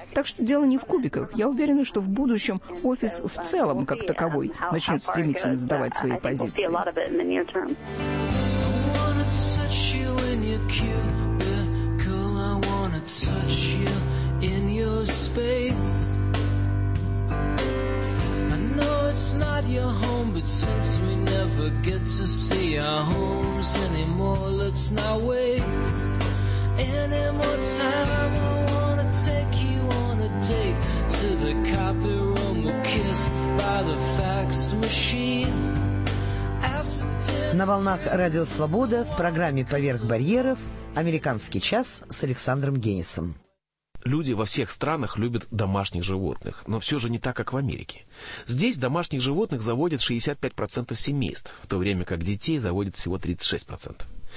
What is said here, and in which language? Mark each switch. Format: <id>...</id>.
<ru>Так что дело не в кубиках. Я уверена, что в будущем офис в целом, как таковой, начнет стремительно сдавать свои позиции.</ru> <en>It's not your home, but since we never forget to see our homes anymore. Let's not waste any more time. I wanna take you on a date to the copy room. We'll kiss by the fax machine.</en> <ru>На волнах Радио Свобода в программе «Поверх барьеров» «Американский час» с Александром Генисом. Люди во всех странах любят домашних животных, но все же не так, как в Америке. Здесь домашних животных заводят 65% семейств, в то время как детей заводят всего 36%.</ru>